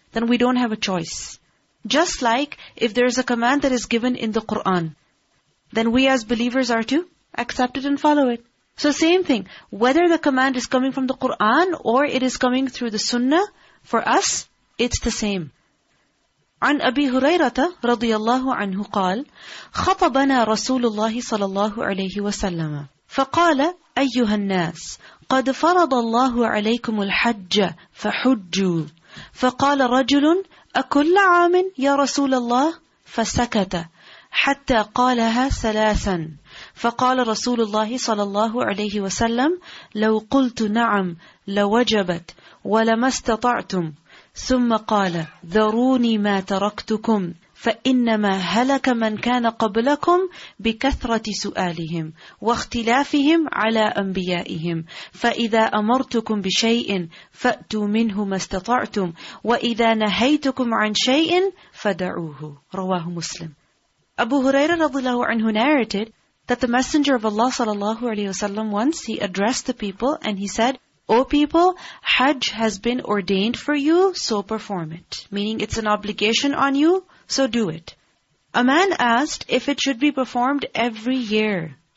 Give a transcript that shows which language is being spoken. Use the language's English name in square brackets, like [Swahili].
[English] Then we don't have a choice. Just like if there's a command that is given in the Quran, then we as believers are to accept it and follow it. So same thing, whether the command is coming from the Quran or it is coming through the sunnah, for us, it's the same. [Arabic] عن أبي هريرة رضي الله عنه قال خطبنا رسول الله صلى الله عليه وسلم فقال أيها الناس قد فرض الله عليكم الحج فحجوا فقال رجل أكل عام يا رسول الله فسكت حتى قالها ثلاثا فقال رسول الله صلى الله عليه وسلم لو قلت نعم لوجبت ولما استطعتم ثم قال ذروني ما تركتكم فإنما هلك من كان قبلكم بكثرة سؤالهم واختلافهم على أنبيائهم فإذا أمرتكم بشيء فأتوا منه ما استطعتم وإذا نهيتكم عن شيء فدعوه رواه مسلم. [English] أبو هريرة [Arabic] رضي الله عنه [English] narrated that the Messenger of Allah sallallahu alaihi wasallam once he addressed the people and he said, O people, Hajj has been ordained for you, so perform it. Meaning it's an obligation on you, so do it. A man asked if it should be performed every year.